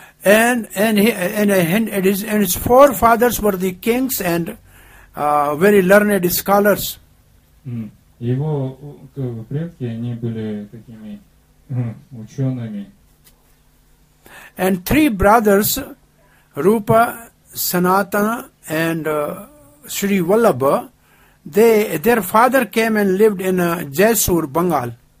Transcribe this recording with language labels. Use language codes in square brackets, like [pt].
[en] And his forefathers were the kings and very learned scholars. [ru] Его предки, они были такими учеными. [en] And three brothers, Rupa, Sanatana and Sri Vallabha, their father came and lived in Jaisur, Bengal.